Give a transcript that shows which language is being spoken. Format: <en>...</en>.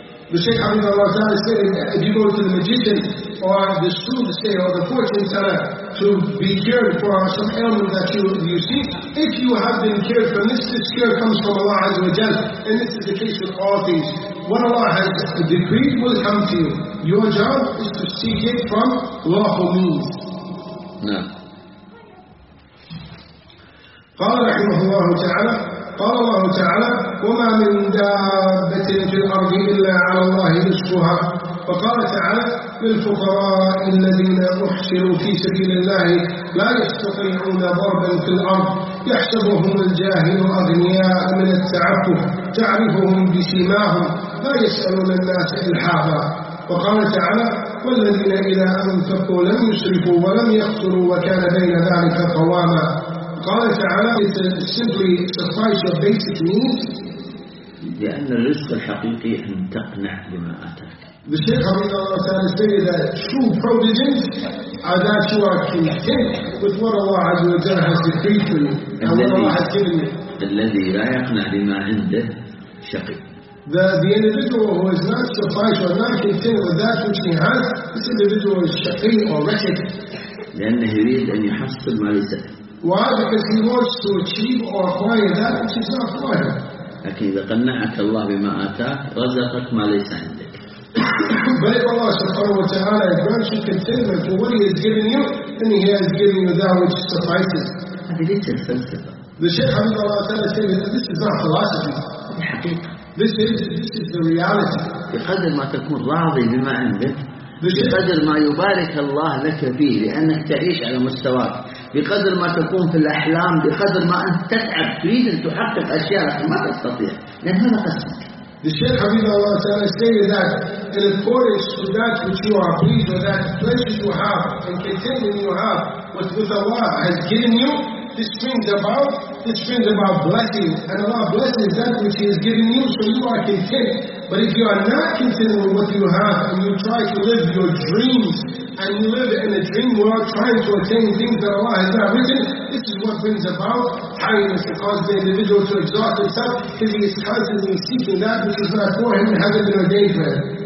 <en>The Sheikh Abu Dawud said, if you go to the magician or the soothsayer or the fortune teller to be cured for some ailment that you see, if you have been cured from this cure comes from Allah Azza wa Jalla, and this is the case with all things. What Allah has decreed will come to you. Your job is to seek it from lawful means. No.</en> <ar>قال رحمه الله تعالى قال الله تعالى وما من دابة في الأرض إلا على الله رزقها وقال تعالى للفقراء الذين أحشروا في سبيل الله لا يستطيعون ضربا في الأرض يحسبهم الجاهل أغنياء من التعفف تعرفهم بسيماهم لا يسألون الناس إلحافا وقال تعالى والذين إذا أنفقوا لم يسرفوا ولم يقتروا وكان بين ذلك قواما قال تعالى</ar> <en>it's simply suffice your basic needs</en> <ar>لأن الرزق الحقيقي أن تقنع بما أتاك</ar> <en>the Sheikh Abid Allah Ta'ala say that true provisions are that you are content with what Allah Azza wa Jalla has decreed for you and what Allah has given you</en> <ar>الذي لا يقنع بما عنده شقي</ar> <en>the individual who is not suffice or not content with that which he has this individual is شقي or wretched</en> <ar>لأنه يريد أن يحصل ما ليس</ar> <en>Why? Because he wants to achieve or acquire that which is not acquired.</en> <ar>لكن إذا قنعك الله بما آتاك رزقك ما ليس عندك.</ar> <en>But if Allah subhanahu wa ta'ala grants you contentment for what He has given you, then He has given you that which suffices.</en> <ar>هذه ليست فلسفة.</ar> <en>The Sheikh</en> <ar>عبد الله تعالى</ar> <en>said that this is not philosophy. This is the reality.</en> <ar>بقدر ما تكون راضي بما عندك. بقدر ما يبارك الله لك فيه لأنك تعيش على مستواك بقدر ما تكون في الأحلام بقدر ما أنت تتعب تريد أن تحقق أشياء لكن ما تستطيع لأن هذا قسمك الشيخ حبيب الله تعالى</ar> <en>said that and accordance to that which you are pleased with, that pleasure you have and contentment you have with Allah has given you, this brings about blessing, and Allah blesses that which He has given you, so you are content. But if you are not content with what you have, and you try to live your dreams, and you live in a dream world trying to attain things that Allah has not written, this is what brings about tiredness, and causes the individual to exhaust himself, because he is constantly seeking that which is not for him and hasn't been ordained for him.</en>